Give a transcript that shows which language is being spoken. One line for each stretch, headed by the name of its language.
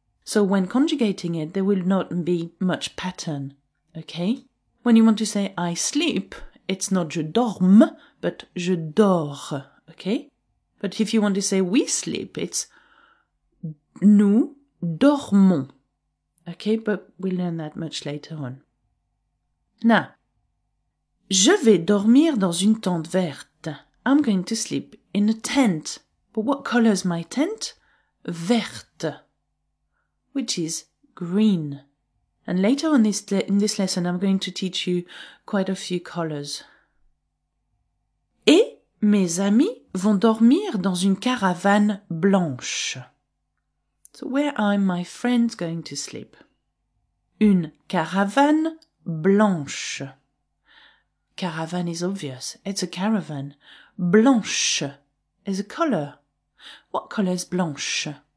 English: So when conjugating it, there will not be much pattern, okay? When you want to say I sleep, it's not
French: je dorme,
English: but
French: je dors,
English: okay? But if you want to say we sleep, it's
French: nous dormons.
English: Okay, but we'll learn that much later on.
French: Now, je vais dormir dans une tente verte.
English: I'm going to sleep in a tent. But what color is my tent? Verte, which is green. And later on in this lesson, I'm going to teach you quite a few colors.
French: Et mes amis vont dormir dans une caravane blanche.
English: So where are my friends going to sleep?
French: Une caravane blanche.
English: Caravan is obvious. It's a caravan. Blanche is a color. What color is blanche?